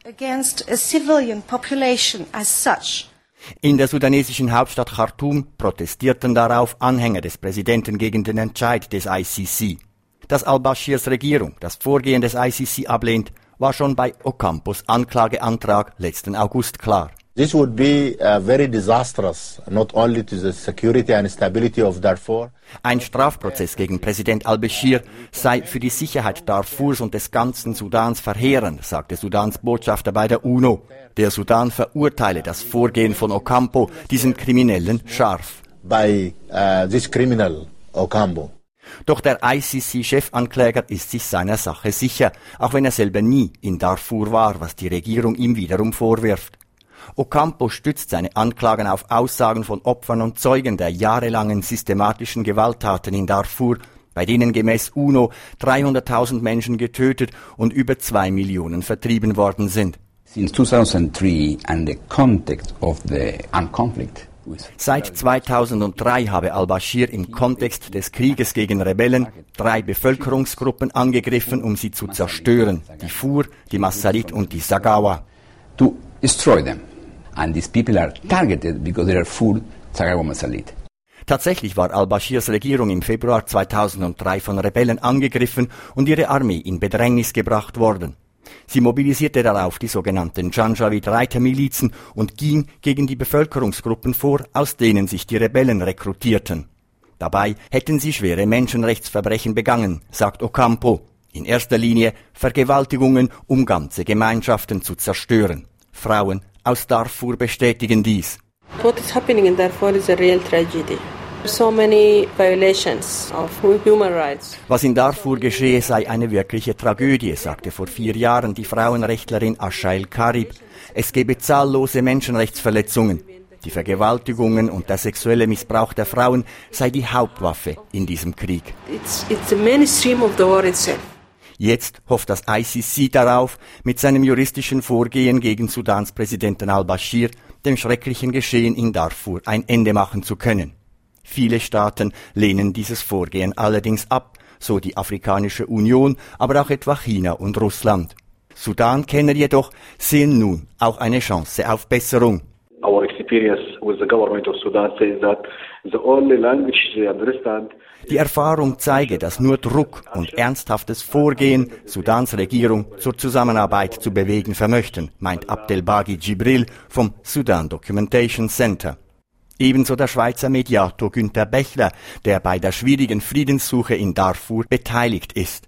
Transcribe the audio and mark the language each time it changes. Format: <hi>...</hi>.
<en>Against a civilian population as such.</en> <de>In der sudanesischen Hauptstadt Khartoum protestierten darauf Anhänger des Präsidenten gegen den Entscheid des ICC. Dass al-Bashirs Regierung das Vorgehen des ICC ablehnt, war schon bei Ocampos Anklageantrag letzten August klar.</de> <en>This would be very disastrous, not only to the security and stability of Darfur.</en> <de>Ein Strafprozess gegen Präsident al-Bashir sei für die Sicherheit Darfurs und des ganzen Sudans verheerend, sagte Sudans Botschafter bei der UNO. Der Sudan verurteile das Vorgehen von Ocampo, diesen Kriminellen, scharf.</de> <en>By this criminal Ocampo.</en> <de>Doch der ICC-Chefankläger ist sich seiner Sache sicher, auch wenn er selber nie in Darfur war, was die Regierung ihm wiederum vorwirft. Ocampo stützt seine Anklagen auf Aussagen von Opfern und Zeugen der jahrelangen systematischen Gewalttaten in Darfur, bei denen gemäß UNO 300.000 Menschen getötet und über 2 Millionen vertrieben worden sind.</de> <en>Since 2003 and the context of the armed conflict.</en> <de>Seit 2003 habe al-Bashir im Kontext des Krieges gegen Rebellen 3 Bevölkerungsgruppen angegriffen, um sie zu zerstören, die Fur, die Masalit und die Sagawa.</de> <en>To destroy them. And these people are targeted because they are Fur, Sagawa, Masalit.</en> <de>Tatsächlich war al-Bashirs Regierung im Februar 2003 von Rebellen angegriffen und ihre Armee in Bedrängnis gebracht worden. Sie mobilisierte darauf die sogenannten Janjaweed-Reitermilizen und ging gegen die Bevölkerungsgruppen vor, aus denen sich die Rebellen rekrutierten. Dabei hätten sie schwere Menschenrechtsverbrechen begangen, sagt Ocampo. In erster Linie Vergewaltigungen, um ganze Gemeinschaften zu zerstören. Frauen aus Darfur bestätigen dies.</de> <en>What is happening in Darfur is a real tragedy. So many violations of human rights.</en> <de>Was in Darfur geschehe, sei eine wirkliche Tragödie, sagte vor 4 Jahren die Frauenrechtlerin Ashail Karib. Es gebe zahllose Menschenrechtsverletzungen. Die Vergewaltigungen und der sexuelle Missbrauch der Frauen sei die Hauptwaffe in diesem Krieg.</de> <en>It's the mainstream of the war itself.</en> <de>Jetzt hofft das ICC darauf, mit seinem juristischen Vorgehen gegen Sudans Präsidenten al-Bashir dem schrecklichen Geschehen in Darfur ein Ende machen zu können. Viele Staaten lehnen dieses Vorgehen allerdings ab, so die Afrikanische Union, aber auch etwa China und Russland. Sudan-Kenner jedoch sehen nun auch eine Chance auf Besserung.</de> <en>Our experience with the government of Sudan says that the only language they understand.</en> <de>Die Erfahrung zeige, dass nur Druck und ernsthaftes Vorgehen Sudans Regierung zur Zusammenarbeit zu bewegen vermöchten, meint Abdelbaghi Djibril vom Sudan Documentation Center. Ebenso der Schweizer Mediator Günther Bechler, der bei der schwierigen Friedenssuche in Darfur beteiligt ist.</de>